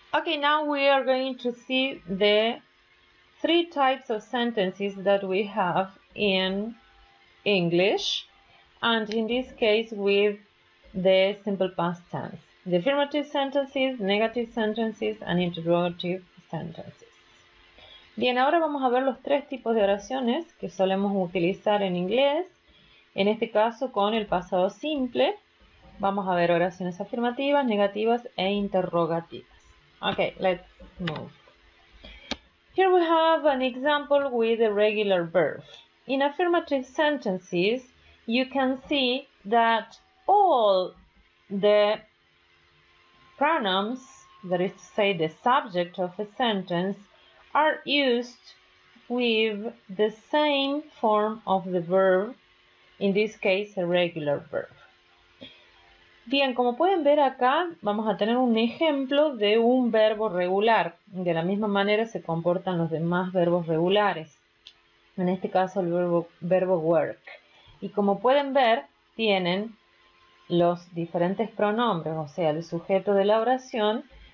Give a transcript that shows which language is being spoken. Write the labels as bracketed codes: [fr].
[en] Okay, now we are going to see the three types of sentences that we have in English, and in this case with the simple past tense. The affirmative sentences, negative sentences, and interrogative sentences. [es] Bien, ahora vamos a ver los tres tipos de oraciones que solemos utilizar en inglés, en este caso con el pasado simple. Vamos a ver oraciones afirmativas, negativas e interrogativas. [en] Okay, let's move. Here we have an example with a regular verb. In affirmative sentences, you can see that all the pronouns, that is to say the subject of a sentence, are used with the same form of the verb, in this case a regular verb. [es] Bien, como pueden ver acá, vamos a tener un ejemplo de un verbo regular. De la misma manera se comportan los demás verbos regulares. En este caso el verbo work. Y como pueden ver, tienen los diferentes pronombres, o sea, el sujeto de la oración.